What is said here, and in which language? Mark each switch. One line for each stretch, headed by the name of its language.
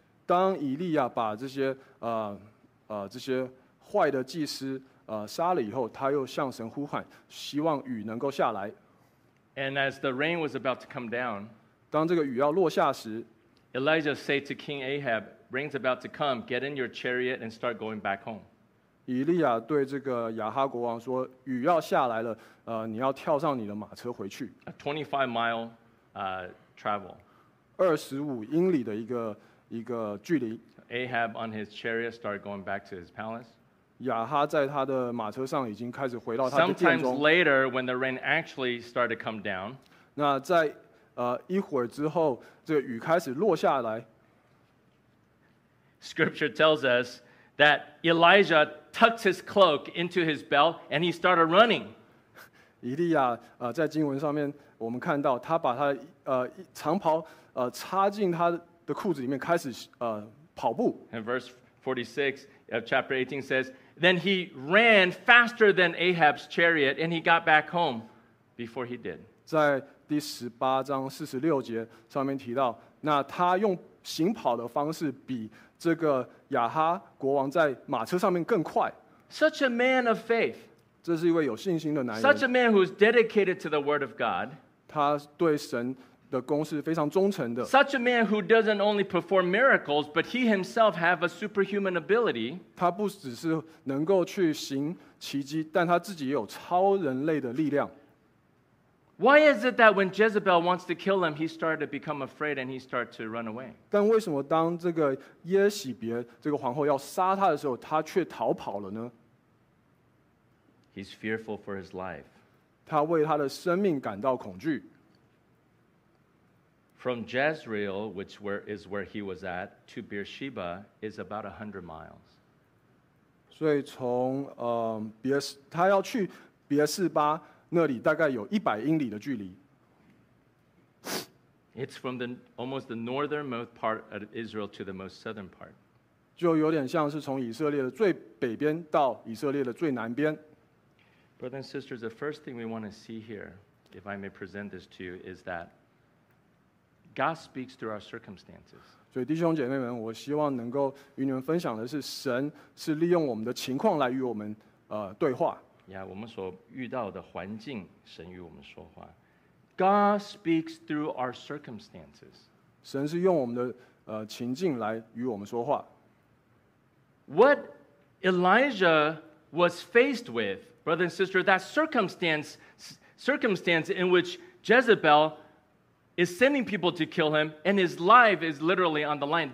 Chinese: 当以利亚把这些坏的祭司杀了以后，他又向神呼喊，希望雨能够下来。
English: And as the rain was about to come down,
Chinese: 当这个雨要落下时
English: ，Elijah said to King Ahab, "Rain's about to come. Get in your chariot and start going back home."
Chinese: 以利亚对这个亚哈国王说，雨要下来了，你要跳上你的马车回去。
English: A 25-mile travel.
Chinese: 25英里的一个距离。
English: Ahab on his chariot started going back to his palace.
Chinese: 亚哈在他的马车上已经开始回到他的殿中。
English: Sometimes later, when the rain actually started to come down,
Chinese: 那在一会儿之后，这个雨开始落下来。
English: Scripture tells us that Elijah tucked his cloak into his belt and he started running.
Chinese: 以利亚在经文上面我们看到他把他长袍插进他的裤子里面开始跑步。
English: And verse 46 of chapter 18 says, Then he ran faster than Ahab's chariot, and he got back home before he did.
Chinese: 在第十八章四十六节上面提到，那他用行跑的方式比这个亚哈国王在马车上面更快。
English: Such a man of faith.
Chinese: 这是一位有信心的男人。
English: Such a man who is dedicated to the word of God.
Chinese: 他对神的工是非常忠诚的。
English: Such a man who doesn't only perform miracles, but he himself have a superhuman ability.
Chinese: 他不只是能够去行奇迹，但他自己也有超人类的力量。
English: Why is it that when Jezebel wants to kill him, he started to become afraid and he started to run away?
Chinese: 但为什么当这个耶洗别这个皇后要杀他的时候，他却逃跑了呢？
English: He's fearful for his life.
Chinese: 他为他的生命感到恐惧。
English: From Jezreel, which is where he was at, to Beersheba is about 100 miles.
Chinese: 所以从他要去别士巴那里大概有100英里的距离。
English: It's from almost the northernmost part of Israel to the most southern part.
Chinese: 就有点像是从以色列的最北边到以色列的最南边。
English: Brothers and sisters, the first thing we want to see here, if I may present this to you, is that God speaks through our circumstances.
Chinese: 所以弟兄姐妹们，我希望能够与你们分享的是，神是利用我们的情况来与我们对话。 Yeah, 我们所遇到的环境，神与我们说话。
English: God speaks through our circumstances.
Chinese: 神是用我们的情境来与我们说话。
English: What Elijah was faced with, brother and sister, that circumstance in which Jezebel is sending people to kill him, and his life is literally on the line.